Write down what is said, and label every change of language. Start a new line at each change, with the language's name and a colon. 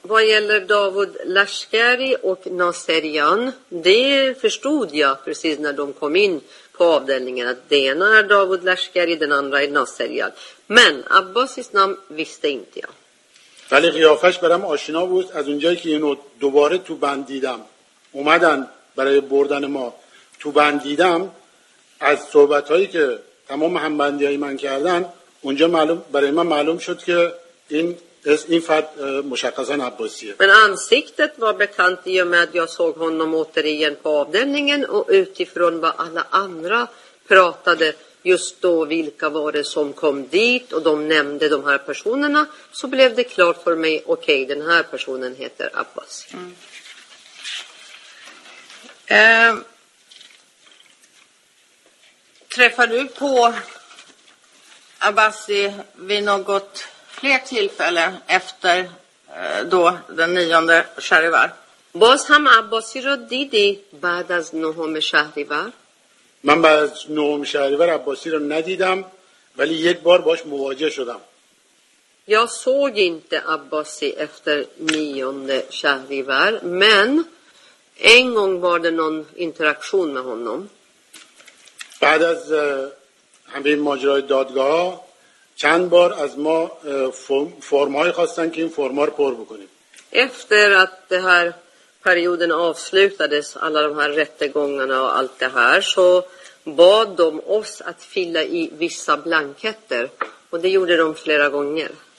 Swedish: vad gäller داوود لشکری و ناصریان det förstod jag precis när de kom in på avdelningen att det ena är داوود لشکری den andra är ناصریان men عباسیس نام visste inte jag
Persian: ولی قیافش برام آشنا بود از اونجایی که اینو دوباره تو بند دیدم اومدن برای بردن ما تو بند دیدم از صحبت هایی که تمام همبندی های من کردن اونجا معلوم برای من معلوم شد که این فرد مشخصا عباسیه.
Swedish: من ansiktet var bekant i och med jag såg honom återigen på avdelningen och utifrån vad alla andra pratade just då vilka var det som kom dit och de nämnde de här personerna så blev det klart för mig okej, den här personen heter Abbas. Mm. Träffar du på Abbas vid något fler tillfälle efter då den nionde Shahrivar?
Persian: Baz ham Abbasi ro didi ba'd az nohom Shahrivar? من بعد نهم شهریور عباسی رو ندیدم ولی یک بار باش مواجه شدم.
Swedish: یا såg inte Abbasi efter nionde Shahrivar, men en gång var det någon interaktion med honom.
Persian: بعد از همین ماجرای دادگاه چند بار از ما فرم‌های خواستن که این فرم‌ها رو پر بکنیم.
Swedish: Efter att det här perioden avslutades, alla de här rättegångarna och allt det här, så bad de oss att fylla i vissa blanketter. Och det gjorde de flera gånger.